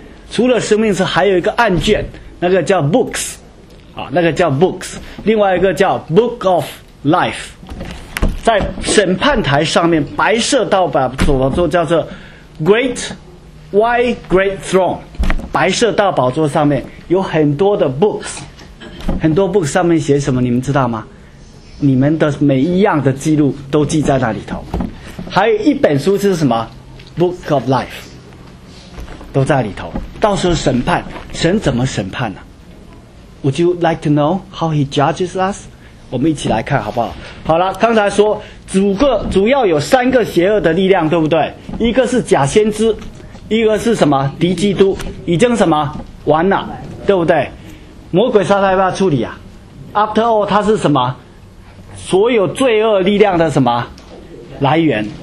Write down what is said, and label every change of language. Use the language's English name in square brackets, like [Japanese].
[Chinese] 除了生命册，还有一个案卷，那个叫 books， 啊，那个叫 books， 另外一个叫 book of life， 在审判台上面，白色道宝座做叫做 great white great throne， 白色道宝座上面有很多的 books， 很多 books 上面写什么，你们知道吗？你们的每一样的记录都记在那里头，还有一本书是什么 ？book of life。都在里头，到时候审判，神怎么审判呢？ [English] Would you like to know how he judges us? [Chinese] 我们一起来看好不好？好了，刚才说主要有三个邪恶的力量，对不对？一个是假先知，一个是什么敌基督，已经什么完了，对不对？魔鬼撒旦要不要处理啊？ [English] After all， [Chinese] 他是什么所有罪恶力量的什么来源？